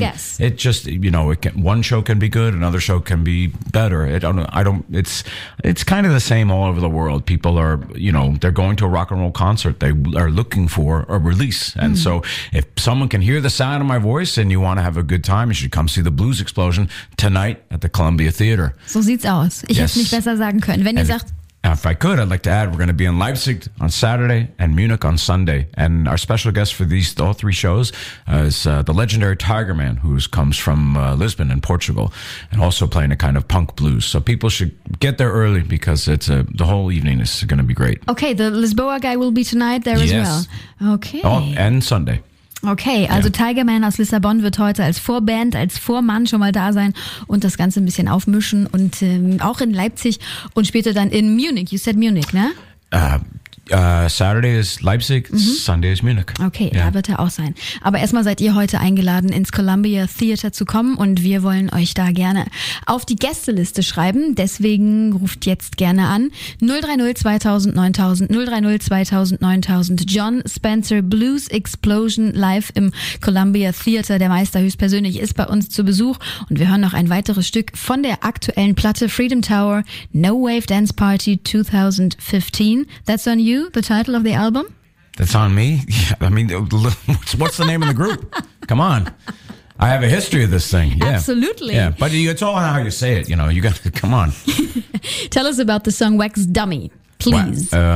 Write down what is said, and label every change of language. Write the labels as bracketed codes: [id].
[en] It just, you know, one show can be good, another show can be better. It's kind of the same all over the world. People are, you know, they're going to a rock and roll concert. They are looking for a release. And so if someone can hear the sound of my voice and you want to have a good time, you should come see the Blues Explosion tonight at the Columbia Theater. [de] So sieht's aus. Ich hätte es nicht besser sagen können. Wenn ihr sagt, [en] If I could, I'd like to add, we're going to be in Leipzig on Saturday and Munich on Sunday. And our special guest for these all three shows is the legendary Tiger Man, who comes from Lisbon in Portugal, and also playing a kind of punk blues. So people should get there early, because it's the whole evening is going to be great. Okay, the Lisboa guy will be tonight there as well. Okay. And Sunday. [de] Okay, also ja. Tiger Man aus Lissabon wird heute als Vorband, als Vormann schon mal da sein und das Ganze ein bisschen aufmischen und auch in Leipzig und später dann in Munich. [en] You said Munich, ne? Saturday is Leipzig, Sunday is Munich. [de] Okay, ja. Da wird er auch sein. Aber erstmal seid ihr heute eingeladen, ins Columbia Theater zu kommen und wir wollen euch da gerne auf die Gästeliste schreiben. Deswegen ruft jetzt gerne an 030-2000-9000, 030-2000-9000. John Spencer Blues Explosion live im Columbia Theater. Der Meister höchstpersönlich ist bei uns zu Besuch und wir hören noch ein weiteres Stück von der aktuellen Platte Freedom Tower No Wave Dance Party 2015. [en] That's on you, the title of the album? That's on me? Yeah, I mean, what's the name of the group? Come on. I have a history of this thing. Yeah. Absolutely. Yeah, but it's all how you say it, you know. You got to, come on. Tell us about the song Wax Dummy, please.